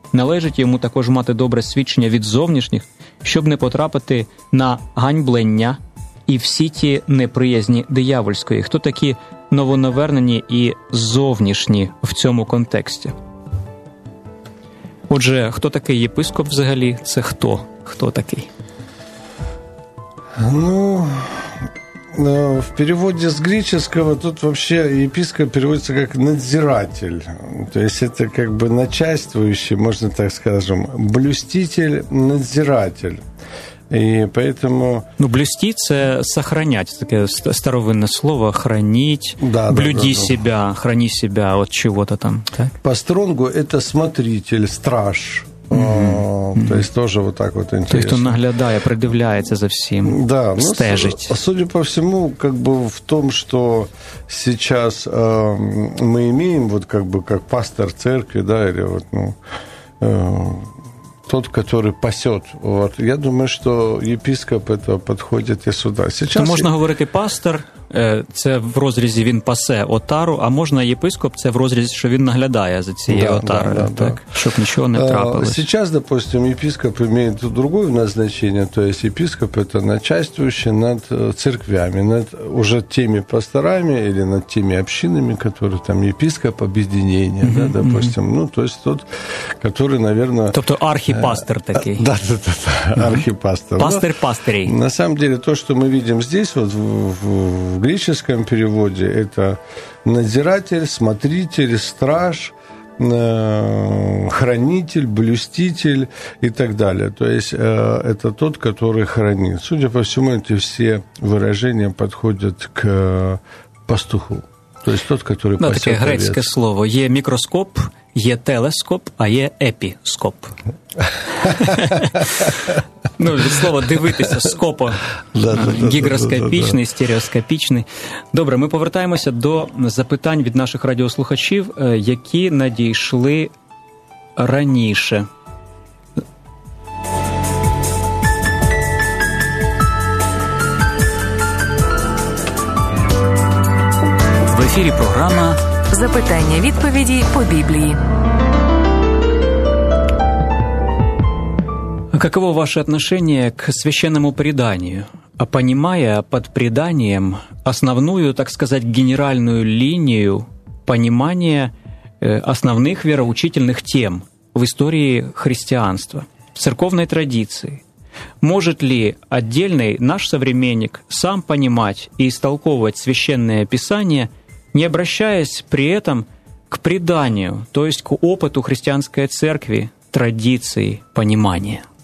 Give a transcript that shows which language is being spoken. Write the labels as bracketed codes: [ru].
[uk] Належить йому також мати добре свідчення від зовнішніх, щоб не потрапити на ганьблення і всі ті неприязні диявольської. Хто такі новонавернені і зовнішні в цьому контексті? Отже, хто такий єпископ взагалі? Це хто? Хто такий? [ru] В переводе с греческого тут вообще епископ переводится как надзиратель. То есть это начальствующий, можно так скажем, блюститель, надзиратель. И поэтому... Ну, блюсти – это сохранять, такое старовинное слово, хранить, да, блюди да, да, себя, да. храни себя от чего-то там. Так? По стронгу – это смотритель, страж. Mm-hmm. То есть тоже вот так вот интересно. То есть он наглядает, придивляется за всем, да, [uk] стежить. [ru] Ну, судя по всему, как бы в том, что сейчас мы имеем, вот как бы как пастор церкви, да, или вот, ну, тот, который пасет. Вот, я думаю, что епископ это подходит и сюда. Сейчас то можно говорить и пастор, [uk] це в розрізі він пасе отару, а можна єпископ, це в розрізі, що він наглядає за цією отарою, так? Щоб нічого не трапилось. [ru] Сейчас, допустим, єпископ [uk] має [ru] другое назначення, то есть єпископ это начальствующий над церквями, над уже теми пасторами или над теми общинами, которые там єпископ об'єднання, да, допустим. Ну, то есть тот, который, наверное... [uk] Тобто архіпастор такий. [ru] Да, архіпастор. Пастор-пастрий. На самом деле, то, что мы видим здесь, вот в греческом переводе это надзиратель, смотритель, страж, хранитель, блюститель и так далее. То есть это тот, который хранит. Судя по всему, эти все выражения подходят к пастуху. То есть тот, который пасет овец. Ну, такое греческое слово. [uk] Є микроскоп, є телескоп, а є епископ. Ну, від слова дивитися, скопо, гігроскопічний, стереоскопічний. Добре, ми повертаємося до запитань від наших радіослухачів, які надійшли раніше. В ефірі програма «Запитання-відповіді по Біблії». [ru] Каково ваше отношение к священному преданию? А понимая под преданием основную, так сказать, генеральную линию понимания основных вероучительных тем в истории христианства, в церковной традиции, может ли отдельный наш современник сам понимать и истолковывать священное писание, не обращаясь при этом к преданию, то есть к опыту христианской церкви, традиции, понимания?